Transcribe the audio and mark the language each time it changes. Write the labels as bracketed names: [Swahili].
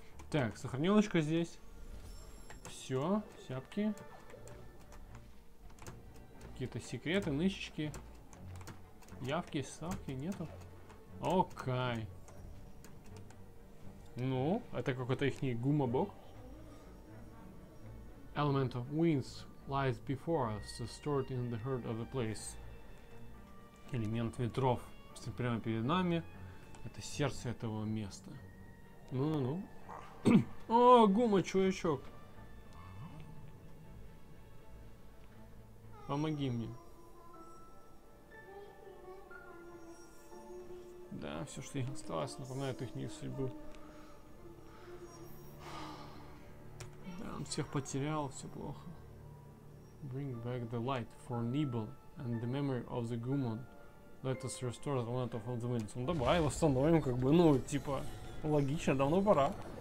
[Russian] Так, сохранилочка здесь. Все, сяпки. Какие-то секреты, нычечки, явки, ставки нету. Окей. Ну, это какой-то их гумобок. [English] Element of winds lies before us, stored in the heart of the place. [Russian] Элемент ветров прямо перед нами. Это сердце этого места. Ну-ну-ну. О, гума, чувачок. Помоги мне. Да, все, что их осталось, напоминает их не судьбу. Да, он всех потерял, все плохо. [English] Bring back the light for Nibel and the memory of the Gumon. Let us restore the moment of the winds. [Russian] Ну давай, восстановим, как бы, ну, типа, логично, давно пора.